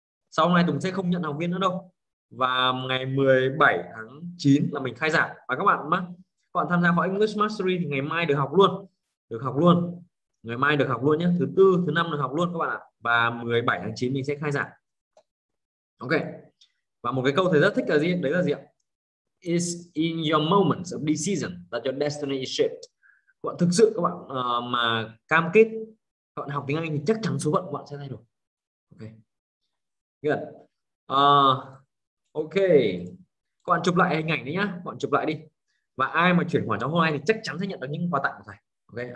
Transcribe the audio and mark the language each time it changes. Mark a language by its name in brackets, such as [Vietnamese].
[Vietnamese] Sau hôm nay Tùng sẽ không nhận học viên nữa đâu. Và ngày 17 tháng 9 là mình khai giảng. Và các bạn tham gia khóa English Mastery thì ngày mai được học luôn. Được học luôn. Ngày mai được học luôn nhé. Thứ tư, thứ năm được học luôn các bạn ạ. Và 17 tháng 9 mình sẽ khai giảng. Ok. Và một cái câu thầy rất thích là gì? Đấy là gì ạ? [English] Is in your moments of decision that your destiny is shaped. [Vietnamese] Các bạn thực sự các bạn mà cam kết các bạn học tiếng Anh thì chắc chắn số phận các bạn sẽ thay đổi. Ok. Good. Ok. Các bạn chụp lại hình ảnh đấy nhá. Các bạn chụp lại đi. Và ai mà chuyển khoản trong hôm nay thì chắc chắn sẽ nhận được những quà tặng của thầy. Ok.